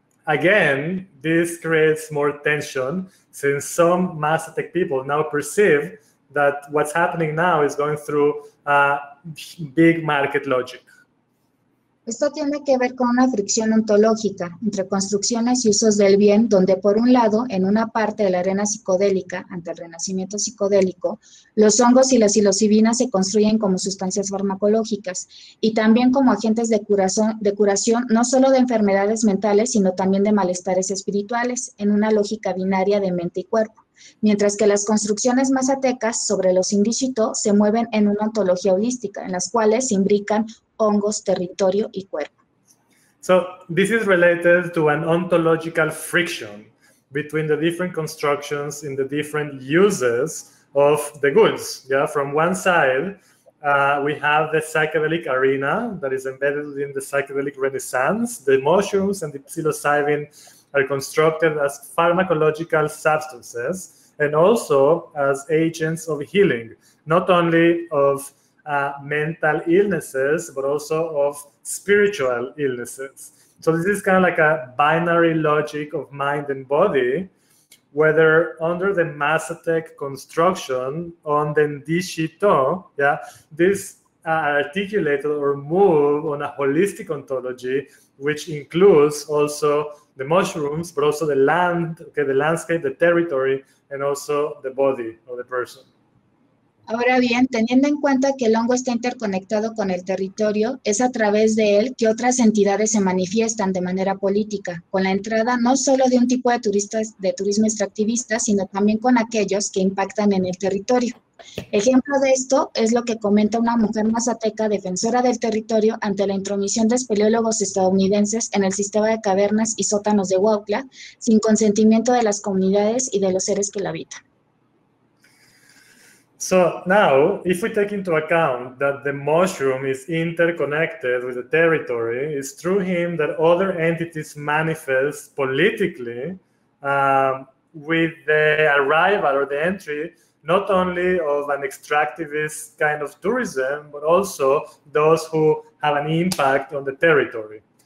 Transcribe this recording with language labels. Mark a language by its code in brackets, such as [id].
[en] Again, this creates more tension since some Mazatec people now perceive that what's happening now is going through a big market logic. [es] Esto tiene que ver con una fricción ontológica entre construcciones y usos del bien, donde por un lado, en una parte de la arena psicodélica, ante el renacimiento psicodélico, los hongos y la psilocibina se construyen como sustancias farmacológicas y también como agentes de curación no solo de enfermedades mentales, sino también de malestares espirituales, en una lógica binaria de mente y cuerpo. Mientras que las construcciones mazatecas sobre los indígito se mueven en una ontología holística, en las cuales se imbrican hongos, territorio y cuerpo. [en] So, this is related to an ontological friction between the different constructions in the different uses of the goods. Yeah, from one side, we have the psychedelic arena that is embedded in the psychedelic renaissance. The mushrooms and the psilocybin are constructed as pharmacological substances and also as agents of healing, not only of mental illnesses, but also of spiritual illnesses. So this is kind of like a binary logic of mind and body, whether under the Mazatec construction on the Ndishito, yeah, this articulated or move on a holistic ontology, which includes also the mushrooms, but also the land, okay, the landscape, the territory, and also the body of the person. [es] Ahora bien, teniendo en cuenta que el hongo está interconectado con el territorio, es a través de él que otras entidades se manifiestan de manera política, con la entrada no solo de un tipo de turistas de turismo extractivista, sino también con aquellos que impactan en el territorio. Ejemplo de esto es lo que comenta una mujer mazateca defensora del territorio ante la intromisión de espeleólogos estadounidenses en el sistema de cavernas y sótanos de Huautla, sin consentimiento de las comunidades y de los seres que la habitan. [en] So now, if we take into account that the mushroom is interconnected with the territory, it's through him that other entities manifest politically with the arrival or the entry, not only of an extractivist kind of tourism, but also those who have an impact on the territory.